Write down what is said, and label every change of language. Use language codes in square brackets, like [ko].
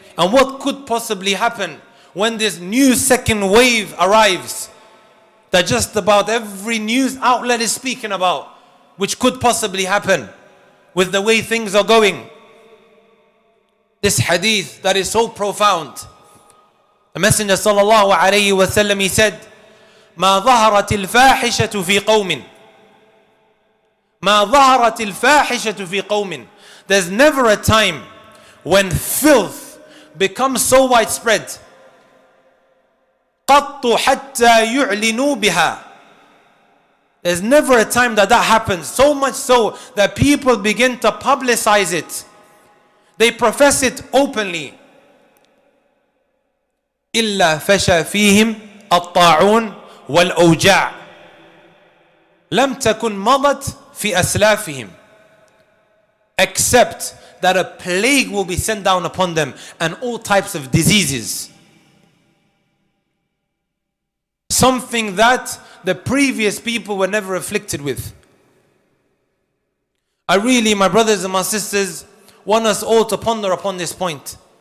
[en] And what could possibly happen when this new second wave arrives that just about every news outlet is speaking about, which could possibly happen with the way things are going? This hadith that is so profound. The Messenger sallallahu alayhi wa sallam, he said, [ar] مَا ظَهَرَتِ الْفَاحِشَةُ فِي قَوْمٍ مَا ظَهَرَتِ الْفَاحِشَةُ فِي قَوْمٍ. [en] There's never a time when filth becomes so widespread. [ar] قَطُّ حَتَّى يُعْلِنُوا بِهَا. [en] There's never a time that that happens, so much so that people begin to publicize it. They profess it openly. [ar] إلا فشى فيهم الطاعون والأوجاع لم تكن مضت في أسلافهم. [en] Except that a plague will be sent down upon them and all types of diseases. Something that the previous people were never afflicted with. I really, my brothers and my sisters, want us all to ponder upon this point.